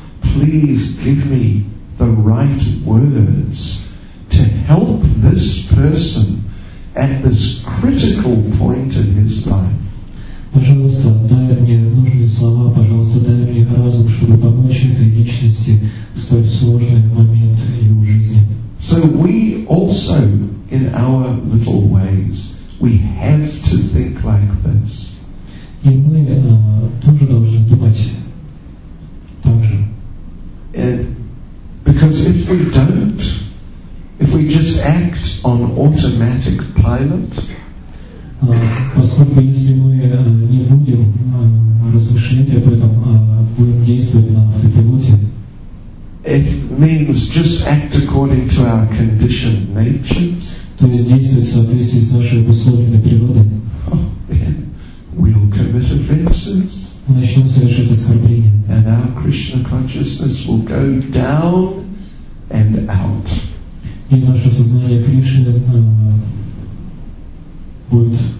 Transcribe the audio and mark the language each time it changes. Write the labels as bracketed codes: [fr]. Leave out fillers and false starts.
[en] Please give me the right words to help this person at this critical point in his life. [ru] Пожалуйста, дай мне нужные слова. Пожалуйста, дай мне разум, чтобы помочь этой личности в столь сложный момент его жизни. [en] So we also, in our little ways, we have to think like this. [ru] И мы тоже должны думать. [en] And because if we don't, if we just act on automatic pilot, [ru] поскольку если мы не будем размышлять об этом, а будем действовать на автопилоте, [en] it means just act according to our conditioned nature. [ru] То есть действовать в соответствии с нашей обусловленной природой. [en] We'll commit offenses. [ru] Начнем совершать оскорбление. [en] And our Krishna consciousness will go down and out. [ru] И наше сознание Кришны будет